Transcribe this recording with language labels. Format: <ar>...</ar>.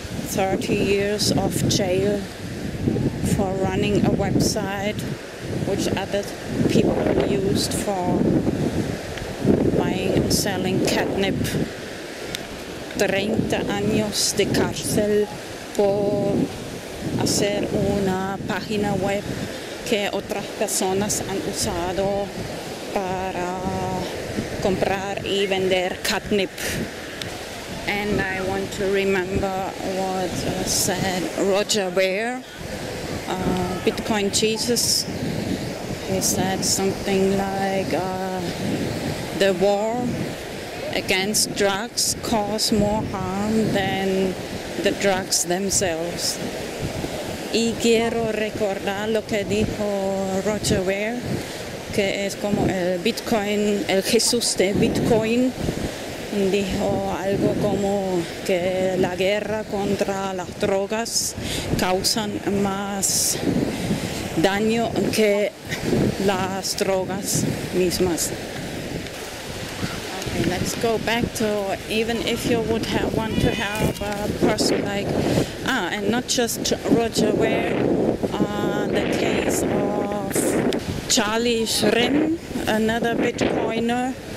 <en>30 years of jail for running a website which other people used for buying and selling catnip.</en> <es>30 años de cárcel por hacer una página web que otras personas han usado para comprar y vender catnip.</es> <en>And I want to remember what said Roger Ver, Bitcoin Jesus. He said something like, the war against drugs cause more harm than the drugs themselves.</en> <es>Y quiero recordar lo que dijo Roger Ver, que es como el Bitcoin, el Jesús de Bitcoin. Dijo algo como que la guerra contra las drogas causan más daño que las drogas mismas.</es> <en>Okay, let's go back to, even if you would have, want to have a person like, and not just Roger Ware, the case of Charlie Shrim, another Bitcoiner.</en>